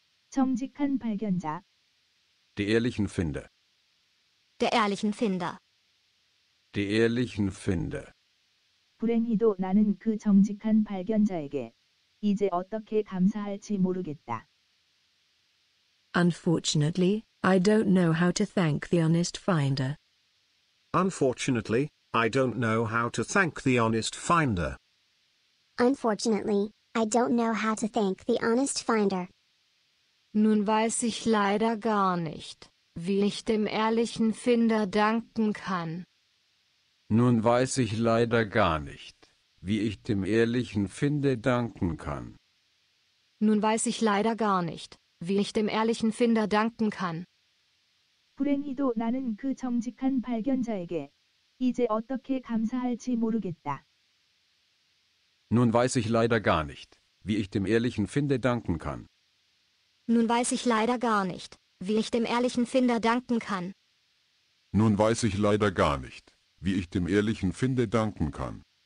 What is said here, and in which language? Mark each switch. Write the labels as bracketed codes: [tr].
[ko] 정직한 발견자. [de] Die ehrlichen Finder. Der ehrlichen Finder. Die ehrlichen Finder. [ko] 불행히도 나는 그 정직한 발견자에게 이제 어떻게 감사할지 모르겠다. [en] Unfortunately, I don't know how to thank the honest finder. Unfortunately, I don't know how to thank the honest finder. Unfortunately, I don't know how to thank the honest finder. [de] Nun weiß ich leider gar nicht, wie ich dem ehrlichen Finder danken kann. Nun weiß ich leider gar nicht, wie ich dem ehrlichen Finder danken kann. Nun weiß ich leider gar nicht, wie ich dem ehrlichen Finder danken kann. [ko] 불행히도 나는 그 정직한 발견자에게 이제 어떻게 감사할지 모르겠다. [de] Nun weiß ich leider gar nicht, wie ich dem ehrlichen Finder danken kann. Nun weiß ich leider gar nicht, wie ich dem ehrlichen Finder danken kann. Nun weiß ich leider gar nicht, wie ich dem ehrlichen Finder danken kann.